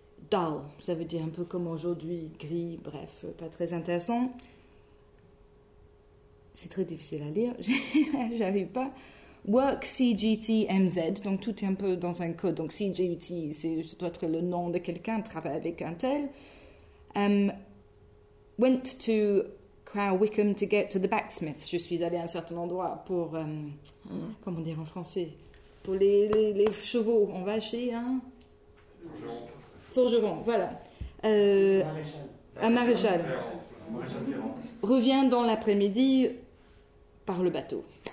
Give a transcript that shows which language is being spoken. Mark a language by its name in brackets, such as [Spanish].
[French] Dull, ça veut dire un peu comme aujourd'hui, gris, bref, pas très intéressant. C'est très difficile à lire, j'arrive pas. [English] Work CGTMZ, [French] donc tout est un peu dans un code. Donc CGT, c'est, ça doit être le nom de quelqu'un, travaille avec un tel. [English] Went to Crow Wickham to get to the backsmiths. [French] Je suis allée à un certain endroit pour, comment dire en français, pour les chevaux. On va chez un forgeron, voilà. Un maréchal. Reviens dans l'après-midi par le bateau.